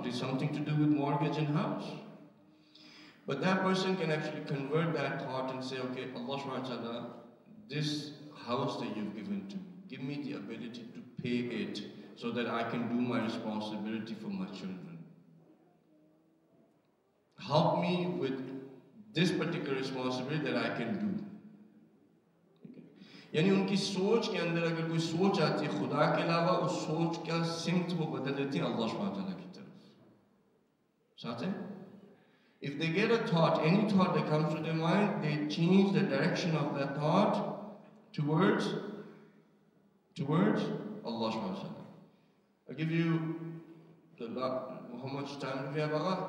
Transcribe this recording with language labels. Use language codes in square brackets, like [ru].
[en] It is something to do with mortgage and house. But that person can actually convert that thought and say, okay, Allah subhanahu wa ta'ala, this house that you've given to me, give me the ability to pay it so that I can do my responsibility for my children. Help me with this particular responsibility that I can do. [ur] یعنی ان کی سوچ کے اندر اگر کوئی سوچ آتی ہے خدا کے علاوہ, اس سوچ کا سمت وہ بدل دیتی ہے اللہ سبحانہ وتعالیٰ کی طرف. [en] ساتھ ہے, if they get a thought, any thought that comes to their mind, they change the direction of that thought towards Allah سبحانہ وتعالیٰ. I'll give you the love. How much time do we have, Agha?